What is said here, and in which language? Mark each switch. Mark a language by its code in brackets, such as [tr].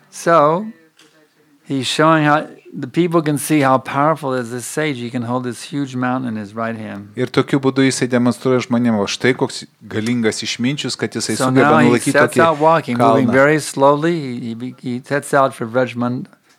[en] So, he's showing how the people can see how powerful is this sage. He can hold this huge mountain in his right hand. [lt] Ir tokiu būdu jisai demonstruoja žmonėm, o štai koks galingas išminčius, kad jisai sugeba nulaikyti tokį kalną. [en] So now he sets out walking, moving very slowly. He sets out for Vrajmund.